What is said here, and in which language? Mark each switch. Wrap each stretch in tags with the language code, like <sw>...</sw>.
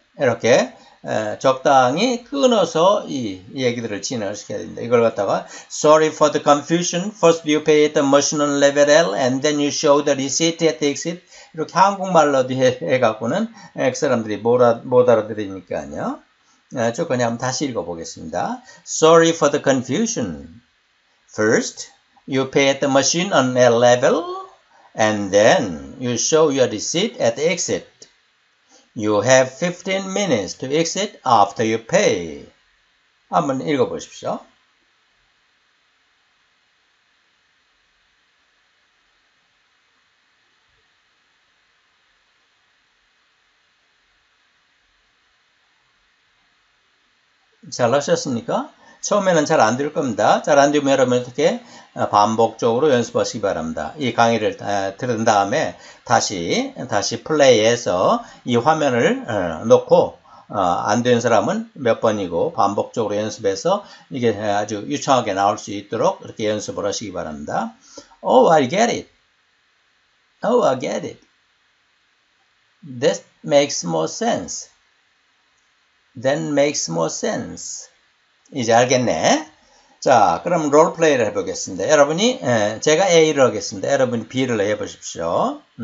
<ko>이렇게 적당히 끊어서 이 얘기들을 진행을 시켜야 됩니다. 이걸 갖다가</ko> <en>Sorry for the confusion. First you pay at the machine on level L and then you show the receipt at the exit.</en> <ko>이렇게 한국말로도 해갖고는 사람들이 못 알아들으니까요. 조금 그냥 다시 읽어보겠습니다.</ko> <en>Sorry for the confusion. First you pay at the machine on L level and then you show your receipt at the exit. You have 15 minutes to exit after you pay.</en> <ko>한번 읽어보십시오. Mm-hmm. 잘하셨습니까? 처음에는 잘안될 겁니다. 잘안 되면 여러분 어떻게 반복적으로 연습하시기 바랍니다. 이 강의를 들은 다음에 다시 플레이해서 이 화면을 놓고 안된 사람은 몇 번이고 반복적으로 연습해서 이게 아주 유창하게 나올 수 있도록 이렇게 연습을 하시기 바랍니다.</ko> <en>Oh, I get it. Oh, I get it. This makes more sense. Then makes more sense.</en> <ko>이제 알겠네. 자, 그럼 롤플레이를 해보겠습니다. 여러분이, 제가 A를 하겠습니다. 여러분이 B를 해보십시오.</ko>